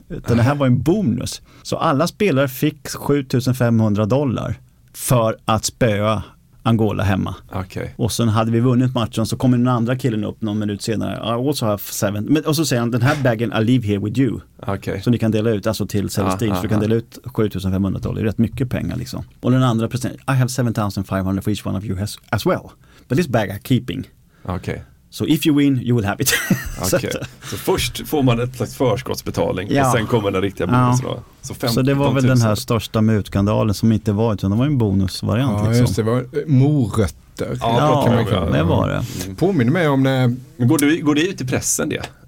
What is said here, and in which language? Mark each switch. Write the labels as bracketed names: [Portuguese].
[Swedish] Utan det här var en bonus. Så alla spelare fick $7,500 för att spöa Angola hemma. Okay. Och sen hade vi vunnit matchen så kommer den andra killen upp någon minut senare. [English] Also have seven. [Swedish] Men, och så säger han, den här baggen [English] I leave here with you. [Swedish] Okay. Så ni kan dela ut alltså till Celestine. Så du kan dela ut $7,500. Det är rätt mycket pengar liksom. Och den andra presenten, [English] I have $7,500 for each one of you as well. But this bag I keeping. [Swedish] Okay. [English] So if you win, you will have it. [Swedish] Okay. Så först får man ett slags förskottsbetalning. Ja. Och sen kommer den riktiga bonusen. Så, det var väl 000. Den här största mutskandalen som inte var, utan det var en bonusvariant. Ja, liksom. Just det, var morötter. Ja, det var det. Påminner mig om det. Men går det ut i pressen det?